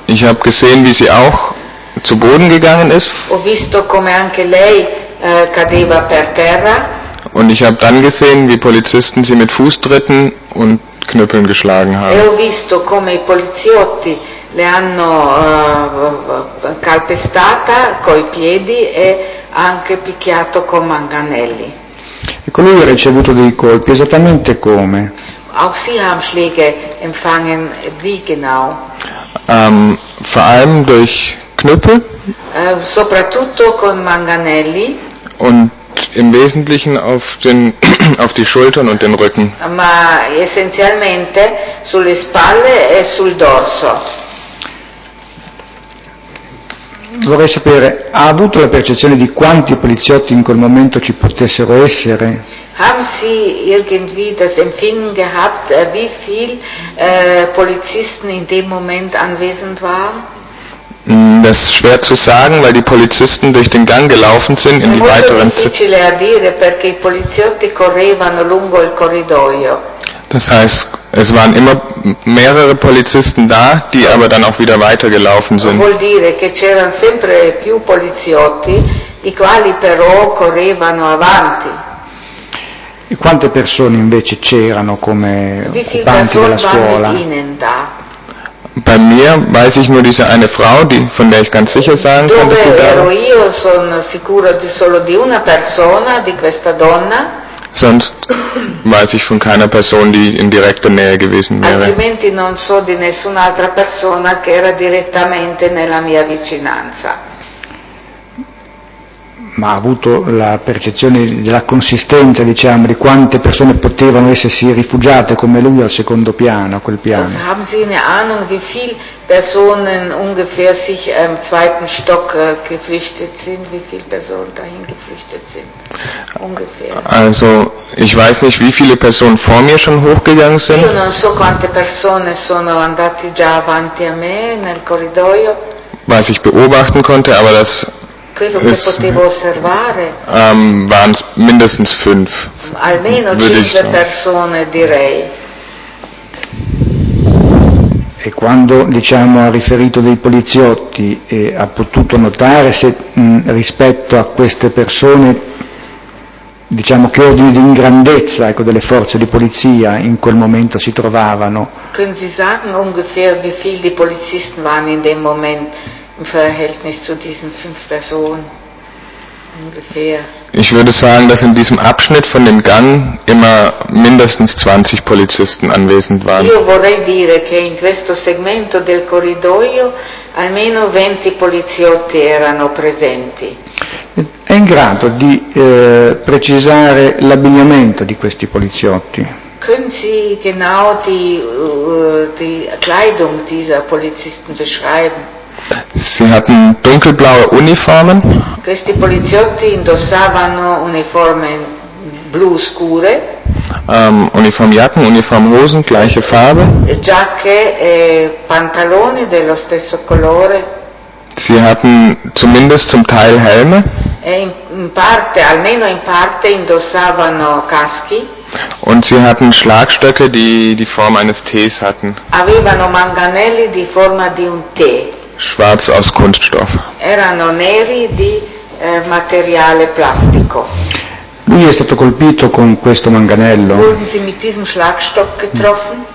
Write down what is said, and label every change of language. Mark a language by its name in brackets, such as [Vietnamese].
[German] Ich habe gesehen, wie sie auch zu Boden gegangen ist. [Italian] Ho visto come anche lei cadeva per terra. [German] Und ich habe dann gesehen, wie Polizisten sie mit Fußtritten und Knüppeln geschlagen haben. [Italian] E ho visto come i poliziotti le hanno calpestata coi piedi e anche picchiato con manganelli. Ecco, lui ha ricevuto dei colpi, esattamente come? [German] Auch sie haben Schläge empfangen, wie genau? Vor allem durch Knüppel. [Italian] Soprattutto con manganelli. [German] Und im Wesentlichen auf den auf die Schultern und den Rücken. [Italian] Ma essenzialmente sulle spalle e sul dorso. Vorrei sapere, ha avuto la percezione di quanti poliziotti in quel momento ci potessero essere? [German] Haben Sie irgendwie das Empfinden gehabt, wie viel Polizisten in dem Moment anwesend waren? Das ist schwer zu sagen, weil die Polizisten durch den Gang gelaufen sind in die weiteren Zimmer. Das heißt, es waren immer mehrere Polizisten da, die aber dann auch wieder weitergelaufen sind. [Italian] Vuol dire che c'erano sempre più poliziotti, i quali però correvano avanti. E quante persone invece c'erano come occupanti della scuola? [German] Bei mir weiß ich nur diese eine Frau, die, von der ich ganz sicher sagen kann, dass sie da war. [Italian] Io sono sicuro di solo di una persona, di questa donna. [German] Sonst weiß ich von keiner Person, die in direkter Nähe gewesen wäre. [Italian] Altrimenti non so di nessun'altra persona che era direttamente nella mia vicinanza. Ma ha avuto la percezione della consistenza, diciamo, di quante persone potevano essersi rifugiate come lui al secondo piano, a quel piano? [German] Haben Sie eine Ahnung, wie viele Personen ungefähr sich im zweiten Stock geflüchtet sind, wie viele Personen dahin geflüchtet sind? Ungefähr. Also, ich weiß nicht, wie viele Personen vor mir schon hochgegangen sind. [Italian] Io non so quante persone sono andate già avanti a me nel corridoio. [German] Was ich beobachten konnte, aber das waren es mindestens 5. [Italian] Almeno 5 persone, direi. E quando diciamo ha riferito dei poliziotti, ha potuto notare se rispetto a queste persone diciamo che ordine di grandezza, ecco, delle forze di polizia in quel momento si trovavano. [German] Können Sie sagen ungefähr wie viel die Polizisten waren in dem Moment im Verhältnis zu diesen fünf Personen? Ungefähr. Ich würde sagen, dass in diesem Abschnitt von dem Gang immer mindestens 20 Polizisten anwesend waren. [Italian] Io vorrei dire che in questo segmento del corridoio almeno 20 poliziotti erano presenti. È in grado di precisare l'abbigliamento di questi poliziotti? [German] Können Sie genau die Kleidung dieser Polizisten beschreiben? Sie hatten dunkelblaue Uniformen. [Italian] Questi poliziotti indossavano uniformi blu scure. [German] Uniformjacken, Uniformhosen, gleiche Farbe. [Italian] Giacche e pantaloni dello stesso colore. [German] Sie hatten zumindest zum Teil Helme. [Italian] E in parte, almeno in parte, indossavano caschi. [German] Und sie hatten Schlagstöcke, die die Form eines Tees hatten. [Italian] Avevano manganelli di forma di un T. [German] Schwarz aus Kunststoff. [Italian] Erano neri di materiale plastico. Lui è stato colpito con questo manganello. [German] Wurden Sie mit diesem Schlagstock getroffen?